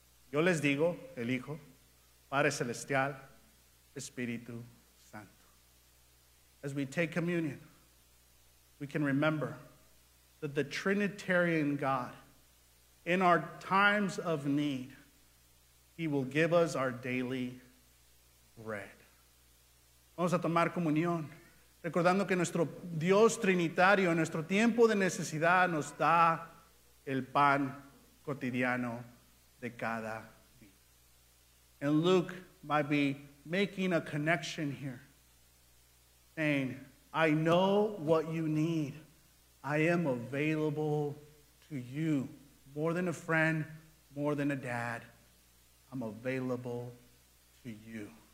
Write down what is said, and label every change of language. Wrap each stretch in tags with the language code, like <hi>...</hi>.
<es>Yo les digo, el Hijo, Padre Celestial, Espíritu Santo.</es> <en>As we take communion, we can remember that the Trinitarian God, in our times of need, He will give us our daily bread.</en> <es>Vamos a tomar comunión, recordando que nuestro Dios trinitario, en nuestro tiempo de necesidad, nos da el pan cotidiano de cada día.</es> <en>And Luke might be making a connection here, saying, I know what you need. I am available to you. More than a friend, more than a dad, I'm available to you.</en>